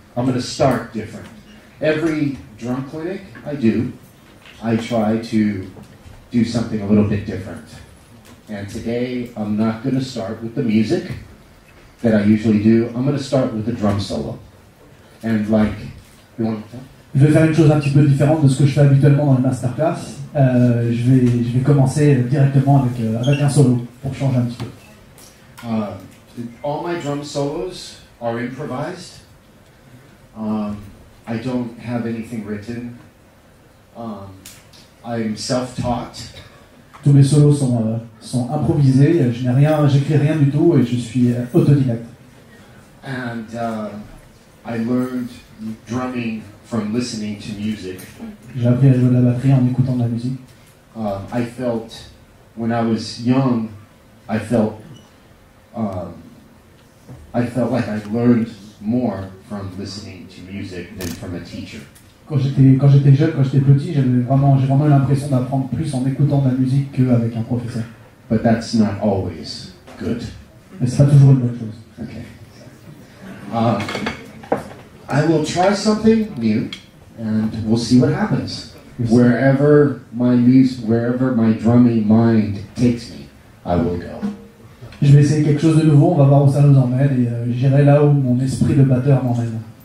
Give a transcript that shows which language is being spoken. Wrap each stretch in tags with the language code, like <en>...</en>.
<en>I'm going to start different. Every drum clinic I do, I try to do something a little bit different. And today, I'm not going to start with the music that I usually do. I'm going to start with the drum solo. And like, you want to tell?</en> <fr>Je vais faire une chose un petit peu différente de ce que je fais habituellement dans le masterclass. Je vais commencer directement avec un solo pour changer un petit peu.</fr> <en>All my drum solos are improvised. I don't have anything written. I'm self-taught.</en> <fr>Tous mes solos sont improvisés. Je n'ai rien, j'écris rien du tout et je suis autodidacte.</fr> <en>And I learned drumming from listening to music.</en> <fr>J'ai appris à jouer de la batterie en écoutant de la musique.</fr> <en>I felt when I was young, I felt like I learned more from listening to music than from a teacher.</en> <fr>Quand j'étais jeune, quand j'étais petit, j'ai vraiment l'impression d'apprendre plus en écoutant de la musique qu'avec un professeur.</fr> <en>But that's not always good.</en> <fr>Mais c'est pas toujours une bonne chose.</fr> <en>Okay. I will try something new, and we'll see what happens. Wherever my drumming mind takes me, I will go.</en> <fr>Je vais essayer quelque chose de nouveau. On va voir où ça nous emmène, et j'irai là où mon esprit de batteur m'emmène.</fr>